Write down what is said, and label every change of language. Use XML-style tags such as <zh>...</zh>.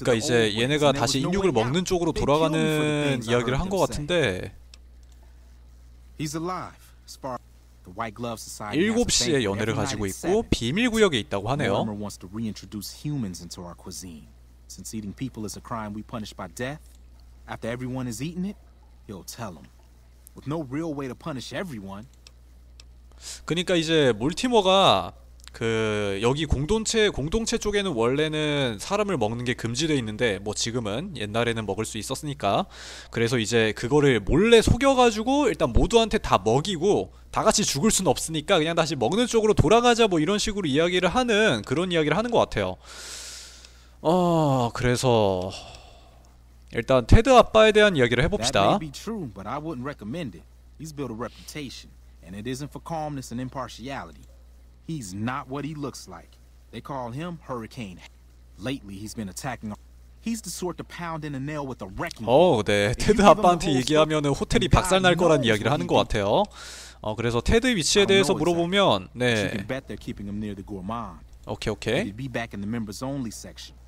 <ko>그러니까 이제 얘네가 다시 인육을 먹는 쪽으로 돌아가는 이야기를 한 것 같은데.</ko> <en>He's alive. The White Glove Society.</en> <ko>7시에 연애를 가지고 있고 비밀 구역에 있다고 하네요.</ko> <en>Mortimer wants to reintroduce humans into our cuisine. Since eating people is a crime we punish by death, after everyone has eaten it, he'll tell them. With no real way to punish everyone.</en> <ko>그러니까 이제 몰티머가 그 여기 공동체 쪽에는 원래는 사람을 먹는 게 금지되어 있는데 뭐 지금은 옛날에는 먹을 수 있었으니까 그래서 이제 그거를 몰래 속여가지고 일단 모두한테 다 먹이고 다 같이 죽을 순 없으니까 그냥 다시 먹는 쪽으로 돌아가자 뭐 이런 식으로 이야기를 하는 그런 이야기를 하는 것 같아요. 그래서 일단 테드 아빠에 대한 이야기를 해봅시다.</ko> <en>That may be true, but I wouldn't recommend it. He's built a reputation, and it isn't for calmness and impartiality. He's not what he looks like. They call him Hurricane. Lately, he's been attacking. He's the sort to pound in a nail with a wrecking ball.</en> <ko>네, 테드 아빠한테 얘기하면은 호텔이 박살 날 거란 이야기를 하는 것 같아요. 그래서 테드의 위치에 대해서 물어보면, 네.</ko> <en>You can bet they're keeping him near the gourmand. Okay, okay. He'll be back in the members only section.</en>